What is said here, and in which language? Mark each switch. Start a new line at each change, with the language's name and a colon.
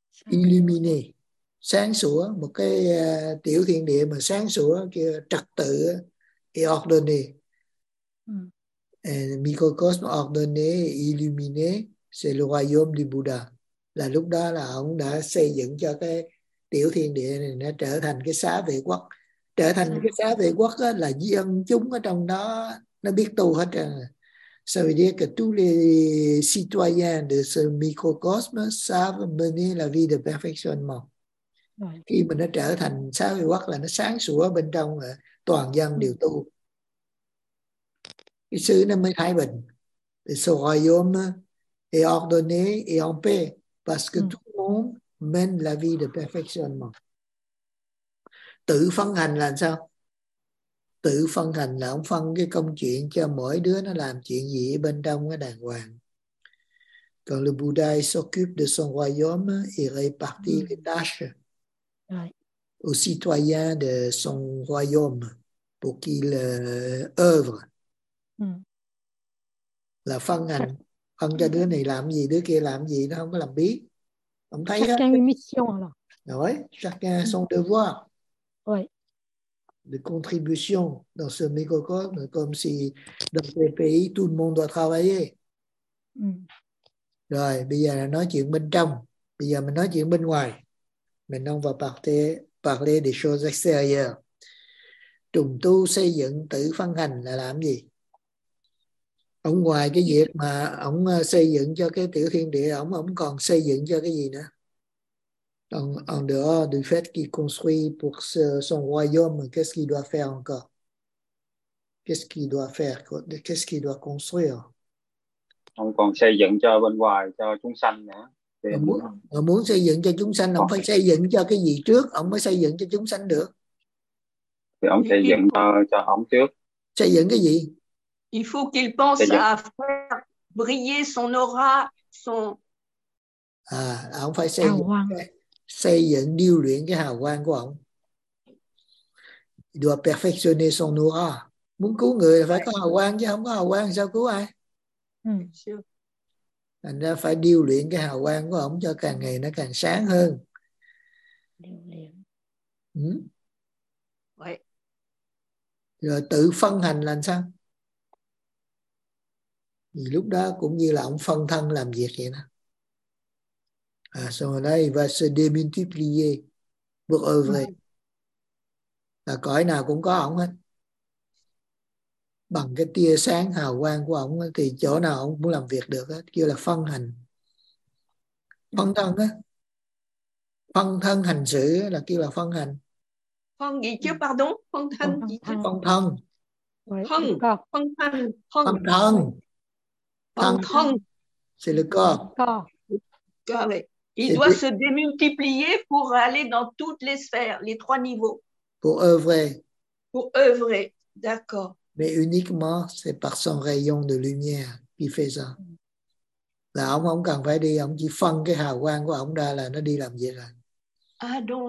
Vietnamese: Illuminé, sáng sủa, một cái tiểu thiên địa mà sáng sủa, kia trật tự,
French: et ordonné. Microcosme ordonné, illuminé, c'est le royaume du Bouddha.
Vietnamese: Là lúc đó là ông đã xây dựng cho cái tiểu thiên địa này nó trở thành cái xá vệ quốc. Trở thành cái xá vệ quốc á, là dân chúng ở trong đó nó biết tu hết rồi.
French: Ça veut dire que tous les citoyens de ce microcosme savent mener la vie de perfectionnement. Ouais.
Vietnamese: Khi mà nó trở thành xá vệ quốc là nó sáng sủa bên trong, toàn dân đều tu. Cái xứ nó mới thái bình.
French: Le royaume est ordonné et en paix parce que tout le monde mène la vie de perfectionnement.
Vietnamese: Tự phân hành là sao? Tự phân hành là ông phân cái công chuyện cho mỗi đứa nó làm chuyện gì bên trong cái đàng hoàng.
French: Còn le Bouddha s'occupe de son royaume et répartit les tâches aux citoyens de son royaume pour qu'il œuvre.
Vietnamese: Là phân hành, phân cho đứa này làm gì, đứa kia làm gì, nó không có làm biết. Ông thấy
French: chacun une mission. Oui, chacun son devoir. Oui. De contribution dans ce microcosme, comme si dans ces pays, tout le monde doit travailler.
Vietnamese: Rồi, bây giờ là nói chuyện bên trong. Bây giờ mình nói chuyện bên ngoài.
French: Maintenant, on va parler des choses extérieures.
Vietnamese: Trùng tu, xây dựng, tự phân hành là làm gì? Ông ngoài cái việc mà ông xây dựng cho cái tiểu thiên địa, ông còn xây dựng cho cái gì nữa?
French: En dehors du fait qu'il construit pour son royaume, qu'est-ce qu'il doit faire encore? Qu'est-ce qu'il doit faire? Qu'est-ce qu'il doit construire?
Vietnamese: Ông còn xây dựng cho bên ngoài, cho chúng sanh nữa. Ông muốn xây dựng cho chúng sanh, ông phải xây dựng cho cái gì trước, ông mới xây dựng cho chúng sanh được. Thì ông xây dựng cho ông trước. Xây dựng cái gì?
French: Il faut qu'il pense à faire briller son aura, son...
Vietnamese: Ông phải xây dựng... xây dựng điêu luyện cái hào quang của ông.
French: Doit perfectionner son aura.
Vietnamese: Muốn cứu người là phải có hào quang, chứ không có hào quang sao cứu ai? Thành ra phải điêu luyện cái hào quang của ông cho càng ngày nó càng sáng hơn. Rồi tự phân hành là sao? Thì lúc đó cũng như là ông phân thân làm việc vậy đó. À ce moment-là, il va se démultiplier pour œuvrer. Là cõi nào cũng có ông hết. Bằng cái tia sáng hào quang của ông thì chỗ nào ông cũng làm việc được hết, kêu là phân hành. Phân thân á. Phân thân hành sự là kêu là phân hành. Phân gì chứ, pardon? Phân thân gì chứ? Phân thân. Phân thân. Phân thân. Phân thân. Phân thân.
French: C'est le corps. Il doit se démultiplier pour aller dans toutes les sphères, les trois niveaux. Pour œuvrer. Pour œuvrer, d'accord. Mais uniquement, c'est par son rayon de lumière qu'il fait ça.
Vietnamese: Là ông không cần phải đi, ông chỉ phân cái hào quang của ông ra là nó đi làm việc rồi.